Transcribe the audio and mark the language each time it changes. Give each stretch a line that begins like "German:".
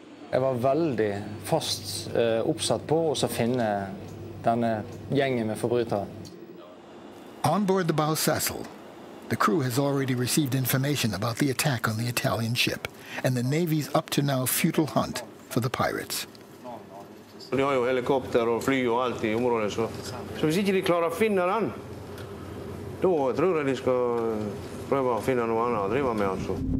Norwegian: Jeg var veldig fast oppsatt på å finne denne gjengen med forbrytere.
English: On board the bow Cecil, the crew has already received information about the attack on the Italian ship and the Navy's up to now futile hunt for the pirates.
Norwegian: De har jo helikopter og fly og alt i området, så hvis ikke de klarer å finne den, da tror jeg de skal prøve å finne noe annet å drive med, altså.